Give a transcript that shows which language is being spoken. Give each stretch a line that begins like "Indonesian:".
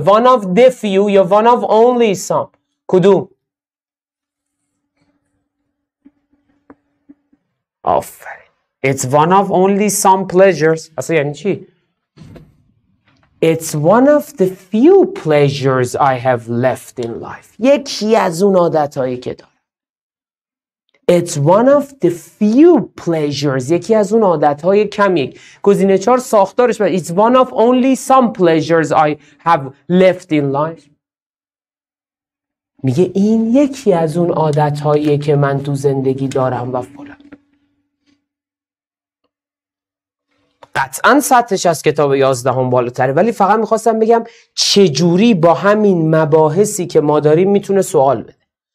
English: One of the few
Persian: یا
English: one of only some.
Persian: کدوم؟ آفرین.
English: It's one of only some pleasures.
Persian: اصلا یعنی چی؟
English: It's one of the few pleasures I have left in life.
Persian: یکی از اون عادتایی که دارم.
English: It's one of the few pleasures.
Persian: یکی از اون عادتهای کمی. گزینه چهار ساختارش بود.
English: It's one of only some pleasures I have left in life.
Persian: میگه این یکی از اون عادتهایی که من تو زندگی دارم و فلان. قطعاً سطحش از کتاب 11 بالاتره، ولی فقط میخواستم بگم چجوری با همین مباحثی که ما داریم میتونه سوال بده.